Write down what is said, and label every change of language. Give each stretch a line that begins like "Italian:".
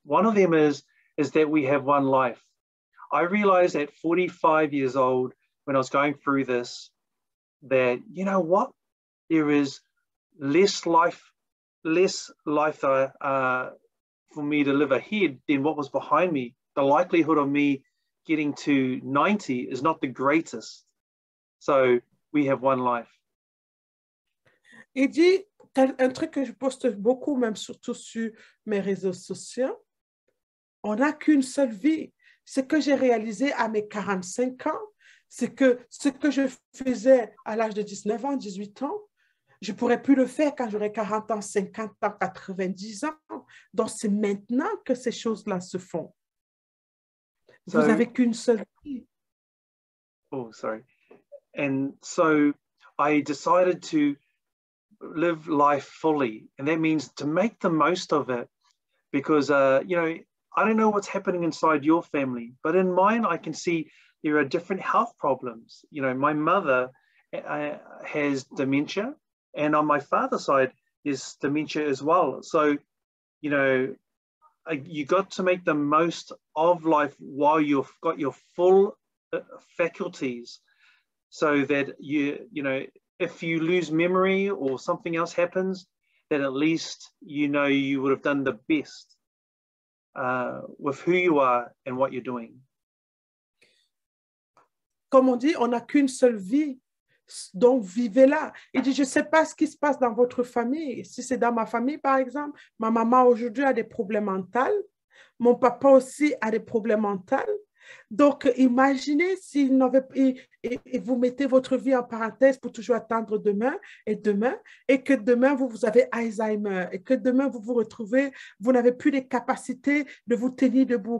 English: One of them is that we have one life. I realized at 45 years old, when I was going through this, that, you know what, there is less life for me to live ahead than what was behind me. The likelihood of me getting to 90 is not the greatest. So we have one life.
French: Il dit, t'as un truc que je poste beaucoup, même surtout sur mes réseaux sociaux, on n'a qu'une seule vie. Ce que j'ai réalisé à mes 45 ans, c'est que ce que je faisais à l'âge de 19 ans, 18 ans, je ne pourrais plus le faire quand j'aurai 40 ans, 50 ans, 90 ans. Donc, c'est maintenant que ces choses-là se font. So, vous n'avez qu'une seule vie.
English: Oh, sorry. And so I decided to live life fully. And that means to make the most of it because, you know, I don't know what's happening inside your family, but in mine, I can see there are different health problems. You know, my mother has dementia, and on my father's side, there's dementia as well. So, you know, you got to make the most of life while you've got your full faculties so that you, you know, if you lose memory or something else happens, that at least you know you would have done the best. With who you are and what you're doing.
French: Comme on dit, on n'a qu'une seule vie, donc vivez-la. Il dit, je ne sais pas ce qui se passe dans votre famille. Si c'est dans ma famille, par exemple, ma maman aujourd'hui a des problèmes mentaux, mon papa aussi a des problèmes mentaux. Donc, imaginez s'il n'avait pas, et vous mettez votre vie en parenthèse pour toujours attendre demain, et que demain vous avez Alzheimer, et que demain vous vous retrouvez, vous n'avez plus les capacités de vous tenir debout.